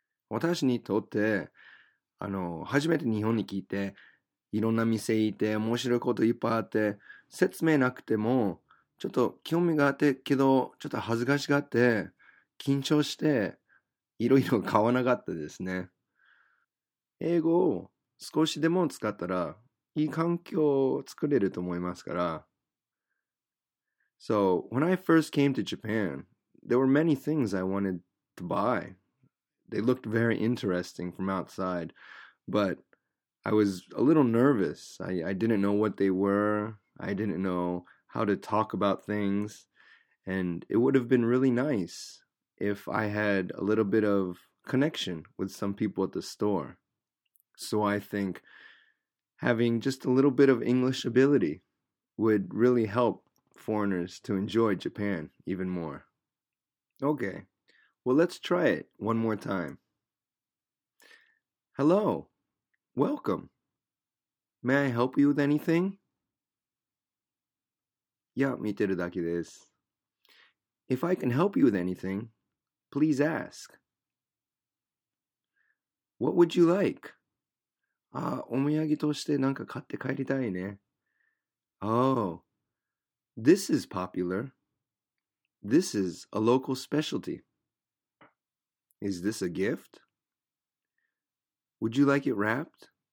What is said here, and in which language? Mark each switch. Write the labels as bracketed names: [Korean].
[Japanese] 私にとって、あの、初めて日本に来て、いろんな店行って、面白いこといっぱいあって、説明なくても、ちょっと興味があって、けど、ちょっと恥ずかしがって、緊張して、いろいろ買わなかったですね。英語を少しでも使ったら、いい環境を作れると思いますから。 [English] So, when I first came to Japan, there were many things I wanted to buy. They looked very interesting from outside, but... I was a little nervous. I didn't know what they were. I didn't know how to talk about things. And it would have been really nice if I had a little bit of connection with some people at the store. So I think having just a little bit of English ability would really help foreigners to enjoy Japan even more. Okay. Well, let's try it one more time. Hello. Welcome. May I help you with anything? [Japanese] いや、見てるだけです。 [English] If I can help you with anything, please ask. What would you like? [Japanese] Ah, お土産としてなんか買って帰りたいね。 [English] Oh, this is popular. This is a local specialty. Is this a gift? Would you like it wrapped?